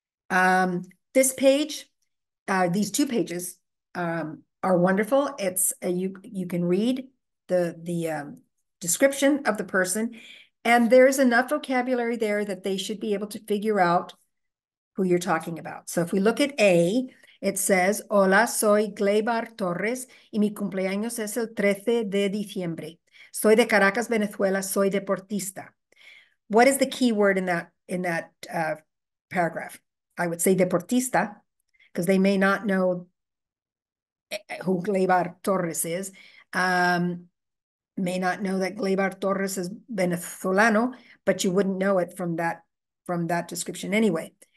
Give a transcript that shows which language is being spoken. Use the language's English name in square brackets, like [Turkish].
[English] This page, these two pages are wonderful. It's you can read the description of the person. And there's enough vocabulary there that they should be able to figure out who you're talking about. So if we look at A, it says, [Spanish] hola, soy Gleibar Torres, y mi cumpleaños es el 13 de diciembre. Soy de Caracas, Venezuela, soy deportista. [English] What is the key word in that paragraph? I would say deportista, because they may not know who Gleibar Torres is. May not know that Gleibar Torres is Venezolano, but you wouldn't know it from that description anyway.